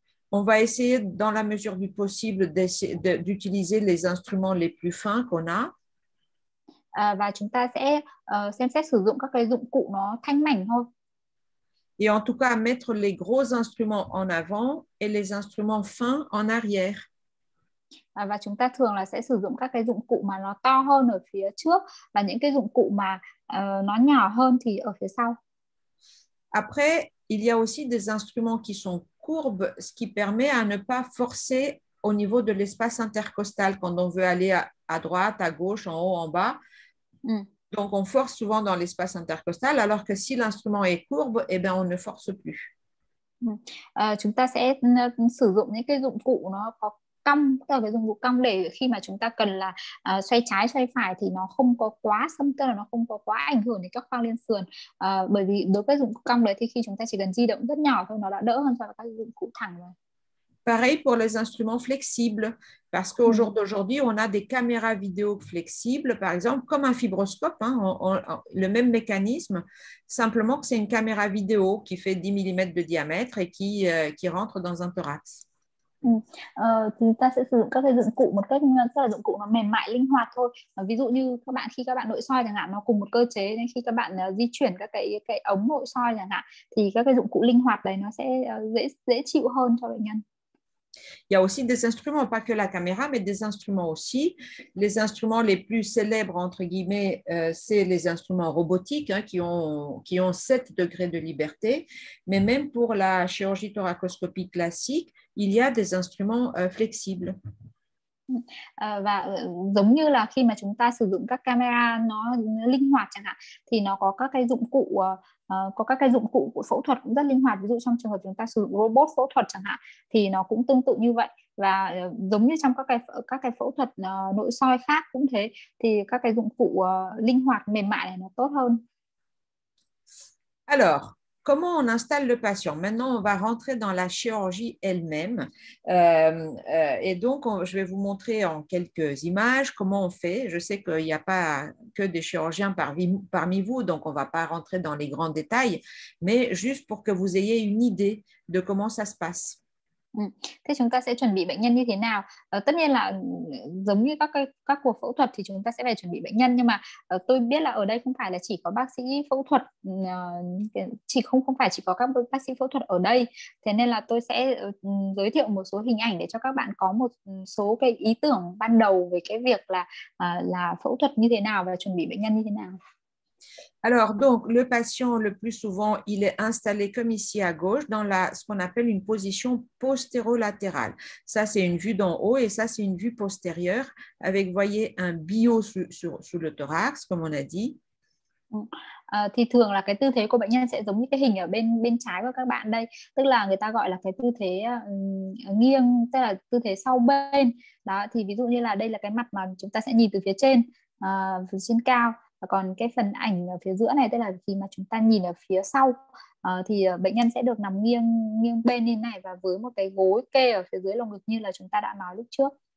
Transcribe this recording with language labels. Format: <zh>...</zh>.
<fr>On va essayer, dans la mesure du possible, d'utiliser les instruments les plus fins qu'on a.</fr> <vi>Và chúng ta sẽ xem xét sử dụng các cái dụng cụ nó thanh mảnh thôi.</vi> <fr>Et en tout cas, mettre les gros instruments en avant et les instruments fins en arrière.</fr> <vi>Và chúng ta thường là sẽ sử dụng các cái dụng cụ mà nó to hơn ở phía trước, và những cái dụng cụ mà nó nhỏ hơn thì ở phía sau.</vi> <fr>Après, il y a aussi des instruments qui sont courbe, ce qui permet à ne pas forcer au niveau de l'espace intercostal quand on veut aller à droite, à gauche, en haut, en bas. Donc on force souvent dans l'espace intercostal, alors que si l'instrument est courbe, eh bien on ne force plus.</fr> <vi>Chúng ta sẽ sử dụng những cái dụng cụ nó có cong, tức là cái dụng cụ cong để khi mà chúng ta cần là xoay trái xoay phải thì nó không có quá xâm, tức là nó không có quá ảnh hưởng đến các khoang liên sườn. Bởi vì đối với dụng cụ cong đấy thì khi chúng ta chỉ cần di động rất nhỏ thôi nó đã đỡ hơn so với các dụng cụ thẳng rồi.</vi> <fr>Pareil pour les instruments flexibles, parce qu'au jour d'aujourd'hui, on a des caméras vidéo flexibles, par exemple, comme un fibroscope, le même mécanisme, simplement que c'est une caméra vidéo qui fait 10 mm de diamètre et qui rentre dans un thorax.</fr> <vi>Chúng ta sẽ sử dụng các cái dụng cụ một cách tức là dụng cụ nó mềm mại linh hoạt thôi. Ví dụ như các bạn khi các bạn nội soi chẳng hạn, nó cùng một cơ chế nên khi các bạn di chuyển các cái ống nội soi chẳng hạn thì các cái dụng cụ linh hoạt đấy nó sẽ dễ dễ chịu hơn cho bệnh nhân.</vi> <fr>Il y a aussi des instruments, pas que la caméra, mais des instruments aussi. Les instruments les plus célèbres, entre guillemets, c'est les instruments robotiques, hein, qui ont 7 degrés de liberté. Mais même pour la chirurgie thoracoscopie classique, il y a des instruments, flexibles.</fr> <vi>Và giống như là khi mà chúng ta sử dụng các camera nó linh hoạt chẳng hạn thì nó có các cái dụng cụ có các cái dụng cụ của phẫu thuật cũng rất linh hoạt, ví dụ trong trường hợp chúng ta sử dụng robot phẫu thuật chẳng hạn thì nó cũng tương tự như vậy. Và giống như trong các cái phẫu thuật nội soi khác cũng thế, thì các cái dụng cụ linh hoạt mềm mại này nó tốt hơn.</vi> <fr>Alors, comment on installe le patient? Maintenant, on va rentrer dans la chirurgie elle-même. Et donc, je vais vous montrer en quelques images comment on fait. Je sais qu'il n'y a pas que des chirurgiens parmi vous, donc on ne va pas rentrer dans les grands détails, mais juste pour que vous ayez une idée de comment ça se passe.</fr> <vi>Thế chúng ta sẽ chuẩn bị bệnh nhân như thế nào? Tất nhiên là giống như các cuộc phẫu thuật thì chúng ta sẽ phải chuẩn bị bệnh nhân, nhưng mà tôi biết là ở đây không phải là chỉ có bác sĩ phẫu thuật chỉ không không phải chỉ có các bác sĩ phẫu thuật ở đây. Thế nên là tôi sẽ giới thiệu một số hình ảnh để cho các bạn có một số cái ý tưởng ban đầu về cái việc là phẫu thuật như thế nào và chuẩn bị bệnh nhân như thế nào.</vi> <fr>Alors, donc, le patient, le plus souvent, il est installé comme ici à gauche, dans ce qu'on appelle une position postérolatérale. Ça, c'est une vue d'en haut et ça, c'est une vue postérieure avec, vous voyez, un billot sous le thorax, comme on a dit.</fr> <vi>Thì thường là cái tư thế của bệnh nhân sẽ giống như cái hình ở bên bên trái của các bạn đây, tức là người ta gọi là cái tư thế nghiêng, tức là tư thế sau bên đó. Thì ví dụ như là đây là cái mặt mà chúng ta sẽ nhìn từ phía trên, phía trên cao, và còn cái phần ảnh ở phía giữa này, tức là khi mà chúng ta nhìn ở phía sau, thì bệnh nhân sẽ được nằm nghiêng nghiêng bên như này và với một cái gối kê ở phía dưới lồng ngực như là chúng ta đã nói lúc trước.</vi>